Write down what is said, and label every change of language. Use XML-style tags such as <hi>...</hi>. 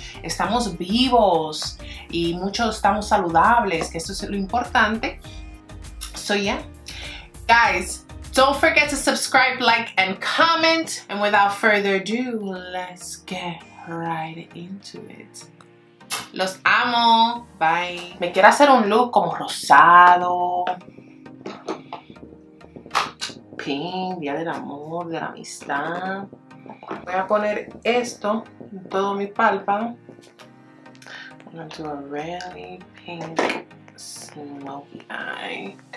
<es>Estamos vivos y muchos estamos saludables, que eso es lo importante.</es> <en>So yeah, guys, don't forget to subscribe, like, and comment. And without further ado, let's get right into it.</en> <es>Los amo. Bye. Me quiero hacer un look como rosado. Pink, día del amor, de la amistad. Voy a poner esto en todo mi pálpado.</es> <en>I'm going to do a really pink smoky eye.</en>